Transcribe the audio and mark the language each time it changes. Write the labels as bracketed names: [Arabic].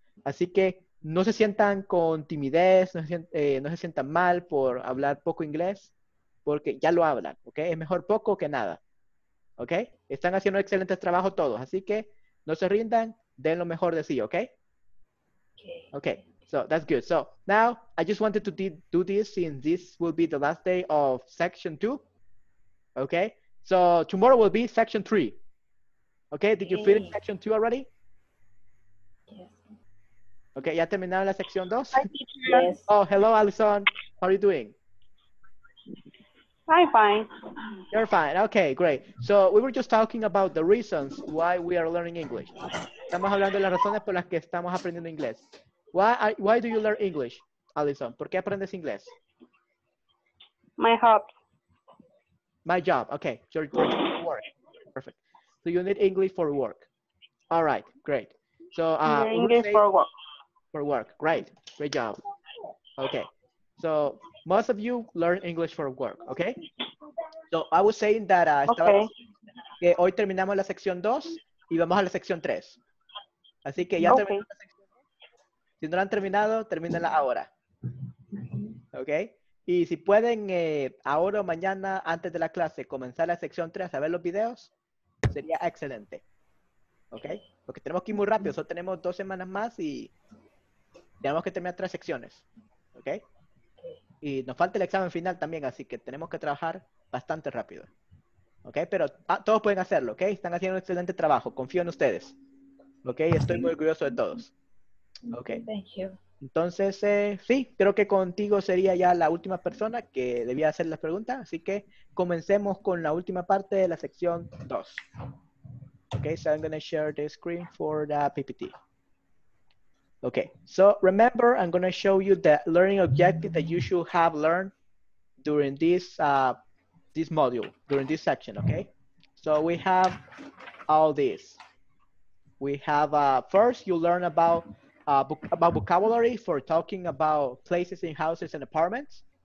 [Spanish] Así que no se sientan con timidez, no se sientan mal por hablar poco inglés, porque ya lo hablan, ¿ok? Es mejor poco que nada, ¿ok? Están haciendo excelentes trabajos todos, así que no se rindan, den lo mejor de sí, ¿ok? [English] Okay, so that's good. So now I just wanted to do this since this will be the last day of section two. Okay, so tomorrow will be section three. Okay, did you finish section two already? Yes. [Spanish] Okay, ¿ya terminaron la sección dos? [English] Yes. Oh, hello, Alison. How are you doing? I'm fine. You're fine. Okay, great. So we were just talking about the reasons why we are learning English. [Spanish] Estamos hablando de las razones por las que estamos aprendiendo inglés. [English] Why do you learn English, Alison? [Spanish] ¿Por qué aprendes inglés? [English] My job. Okay. Your work. Perfect. So you need English for work. All right. Great. So English for work. For work. Great. Great job. Okay. So most of you learn English for work. Okay. So I was saying that okay. [Spanish] Hoy terminamos la sección 2 y vamos a la sección 3. Así que ya terminamos la sección. Si no la han terminado, termínenla ahora. ¿Ok? Y si pueden, ahora o mañana, antes de la clase, comenzar la sección 3 a ver los videos, sería excelente. ¿Ok? Porque tenemos que ir muy rápido. Solo tenemos 2 semanas más y tenemos que terminar 3 secciones. ¿Ok? Y nos falta el examen final también, así que tenemos que trabajar bastante rápido. ¿Ok? Pero todos pueden hacerlo, ¿ok? Están haciendo un excelente trabajo. Confío en ustedes. Ok, estoy muy orgulloso de todos. Ok. [English] Thank you. [Spanish] Entonces, sí, creo que contigo sería ya la última persona que debía hacer las preguntas. Así que comencemos con la última parte de la sección 2. [English] Ok, so I'm going to share the screen for the PPT. Ok, so remember, I'm going to show you the learning objective that you should have learned during this, this module, during this section, ok? So we have all this. We have, first, you learn about vocabulary for talking about places in houses and apartments.